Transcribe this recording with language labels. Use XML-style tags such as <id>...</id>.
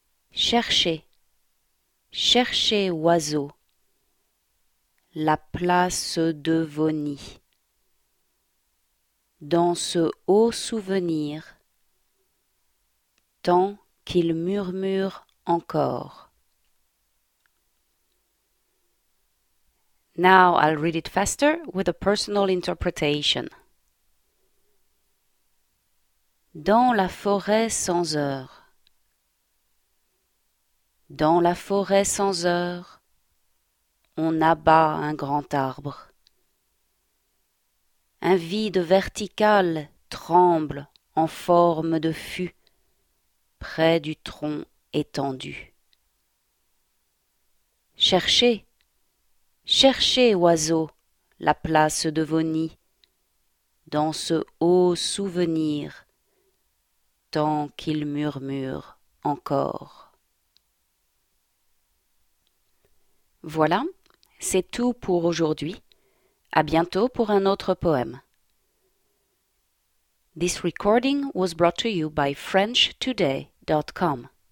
<fr>Cherchez. Cherchez, oiseaux, la place de vos nids. Dans ce haut souvenir, tant qu'il murmure encore.</fr> <en>Now I'll read it faster with a personal interpretation.</en> <fr>Dans la forêt sans heure. Dans la forêt sans heure, on abat un grand arbre. Un vide vertical tremble en forme de fût près du tronc étendu. Cherchez, cherchez, oiseaux, la place de vos nids. Dans ce haut souvenir, tant qu'il murmure encore. Voilà, c'est tout pour aujourd'hui. À bientôt pour un autre poème.</fr> <en>This recording was brought to you by FrenchToday.com.</en>